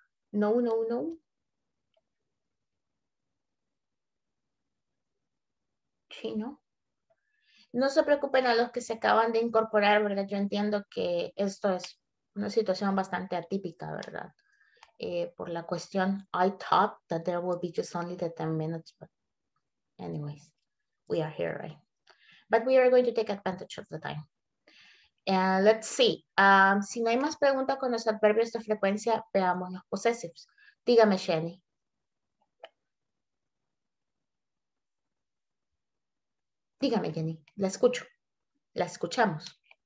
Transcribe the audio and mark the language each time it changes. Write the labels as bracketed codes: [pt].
[es] No, no, no. Sí, ¿no? No se preocupen a los que se acaban de incorporar, ¿verdad? Yo entiendo que esto es una situación bastante atípica, ¿verdad? Por la cuestión, [en] I thought that there would be just only the 10 minutes, but anyways, we are here, right? But we are going to take advantage of the time. Let's see. [es] Si no hay más preguntas con los adverbios de frecuencia, veamos los possessives. Dígame, Jenny. Dígame, Jenny. La escucho. La escuchamos.